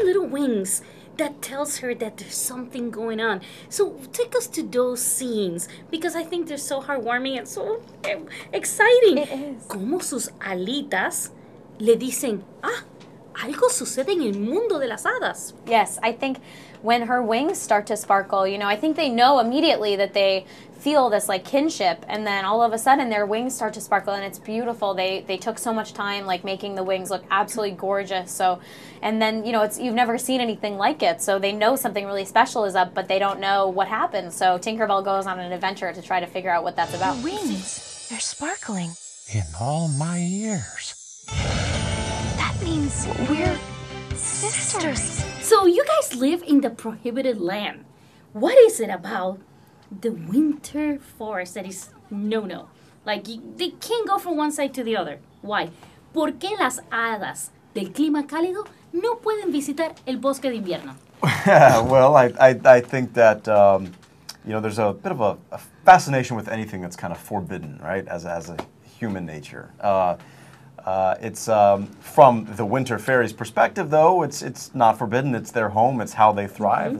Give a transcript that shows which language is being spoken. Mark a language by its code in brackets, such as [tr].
[en] wings that tells her that there's something going on. So take us to those scenes, because I think they're so heartwarming and so exciting. It is. [es] Como sus alitas le dicen, ah, algo sucede en el mundo de las hadas. [en] Yes, I think when her wings start to sparkle, you know, I think they know immediately that they feel this like kinship, and then all of a sudden their wings start to sparkle and it's beautiful. They took so much time like making the wings look absolutely gorgeous. So, and then, you know, it's, you've never seen anything like it. So they know something really special is up, but they don't know what happened. So Tinkerbell goes on an adventure to try to figure out what that's about. Her wings, they're sparkling. In all my years. That means we're sisters. So you guys live in the prohibited land. What is it about the winter forest that is no-no? Like, they can't go from one side to the other. Why? [es] ¿Por qué las hadas del clima cálido no pueden visitar el bosque de invierno? [en] Well, I think that, you know, there's a bit of a fascination with anything that's kind of forbidden, right, as a human nature. It's from the winter fairies' perspective, though, it's not forbidden. It's their home. It's how they thrive. Mm-hmm.